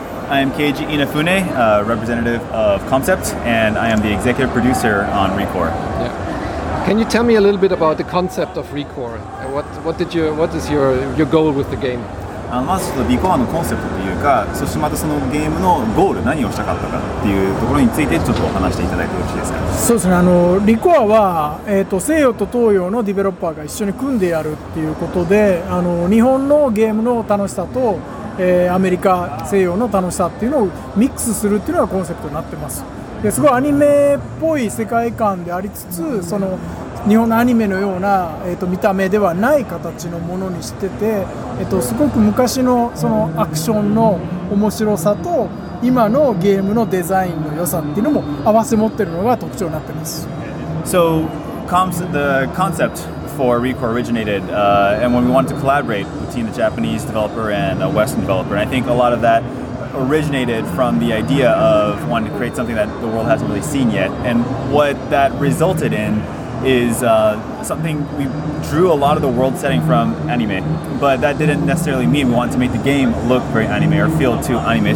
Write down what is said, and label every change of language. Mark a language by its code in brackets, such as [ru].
[en] I'm Keiji Inafune, representative of Concept, and I am the executive producer on ReCore. Yeah. Can you tell me a little bit about the concept of ReCore? What is your goal with the game? [ja] まずリコアのコンセプトというか、そしてまたそのゲームのゴール、何をしたかったかっていうところについてちょっとお話していただいてよろしいですか。そうですね、リコアは、西洋と東洋のディベロッパーが一緒に組んでやるっていうことで、日本のゲームの楽しさと、アメリカ西洋の楽しさっていうのをミックスするっていうのがコンセプトになってます。ですごいアニメっぽい世界観でありつつ、その日本のアニメのような、見た目ではない形のものにしてて、すごく昔 の, そのアクションの面白さと今のゲームのデザインの良さっていうのも合わせ持ってるのが特徴になってます。 [en] So, the conceptFor ReCore originated, and when we wanted to collaborate between the Japanese developer and a Western developer, and I think a lot of that originated from the idea of wanting to create something that the world hasn't really seen yet. And what that resulted in is something we drew a lot of the world setting from anime, but that didn't necessarily mean we wanted to make the game look very anime or feel too anime.